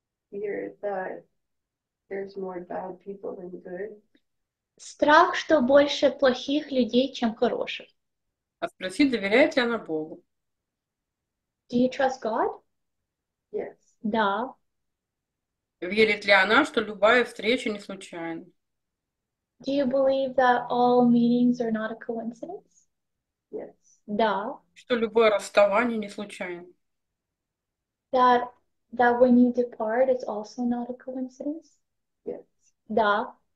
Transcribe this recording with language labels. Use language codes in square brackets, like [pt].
[en] Fear that there's more bad people than good. [ru] Страх, что больше плохих людей, чем хороших. А спросить, доверяет ли она Богу? [en] Do you trust God? Yes. [ru] Да. Верит ли она, что любая встреча не случайна? [en] Do you believe that all meetings are not a coincidence? [ru] Да. Что любое расставание не случайно. [en] That when you depart, it's also not a coincidence. [ru] Да.